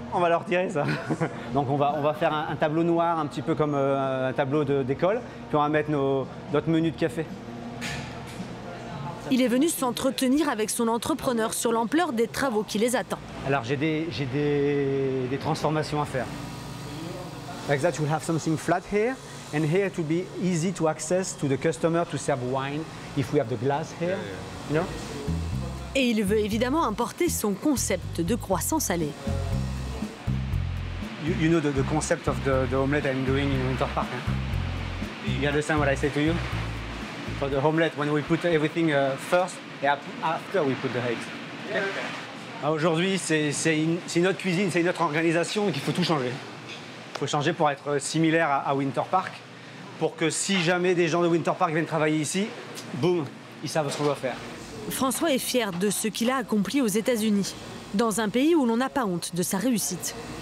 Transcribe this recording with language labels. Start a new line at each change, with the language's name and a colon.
French: On va leur tirer ça. Donc on va faire un tableau noir, un petit peu comme un tableau d'école. Puis on va mettre notre menu de café. Il est venu s'entretenir avec son entrepreneur sur l'ampleur des travaux qui les attend. Alors j'ai des transformations à faire.
English: Like that, you'll have something flat here, and here it will be easy to access to the customer to serve wine if we have the glass here, yeah. You know?
French: Et il veut évidemment importer son concept de croissant salé.
English: You know the concept of the omelette I'm doing in Winter Park. Hein? You understand what I say to you? For the omelette, when we put everything first, and after we put the eggs. Okay.
French: Aujourd'hui, c'est une autre cuisine, c'est une autre organisation, donc il faut tout changer. Il faut changer pour être similaire à Winter Park, pour que si jamais des gens de Winter Park viennent travailler ici, boum, ils savent ce qu'on doit faire. François est fier de ce qu'il a accompli aux États-Unis, dans un pays où l'on n'a pas honte de sa réussite.